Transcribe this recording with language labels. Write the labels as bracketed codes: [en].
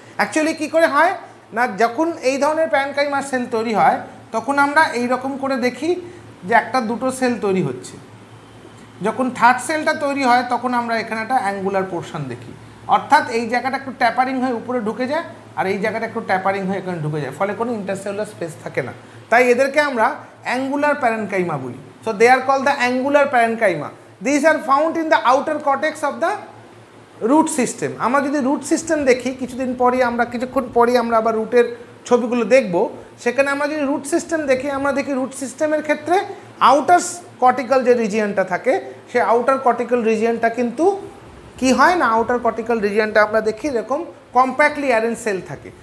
[bn] Actually কী করে হয় না, যখন এই ধরনের প্যারেনকাইমা সেল তৈরি হয় তখন আমরা এইরকম করে দেখি যে একটা দুটো সেল তৈরি হচ্ছে, যখন থার্ড সেলটা তৈরি হয় তখন আমরা এখানে একটা অ্যাঙ্গুলার পোর্শন দেখি, অর্থাৎ এই জায়গাটা একটু ট্যাপারিং হয়ে উপরে ঢুকে যায় আর এই জায়গাটা একটু ট্যাপারিং হয়ে এখানে ঢুকে যায়, ফলে কোনো ইন্টারসেলুলার স্পেস থাকে না, তাই এদেরকে আমরা অ্যাঙ্গুলার প্যারেনকাইমা বলি। [en] So they are call the angular parenchyma. These are found in the outer cortex of the root system. [bn] আমরা যদি রুট সিস্টেম দেখি কিছুদিন পরেই, আমরা কিছুক্ষণ পরেই আমরা আবার রুটের ছবিগুলো দেখবো, সেখানে আমরা যদি রুট সিস্টেম দেখি আমরা দেখি রুট সিস্টেমের ক্ষেত্রে আউটার কর্টিক্যাল যে রিজিয়নটা থাকে সে আউটার কর্টিক্যাল রিজিয়নটা কিন্তু কী হয় না, আউটার কর্টিক্যাল রিজিয়নটা আমরা দেখি এরকম কম্প্যাক্টলি অ্যারেঞ্জ সেল থাকে।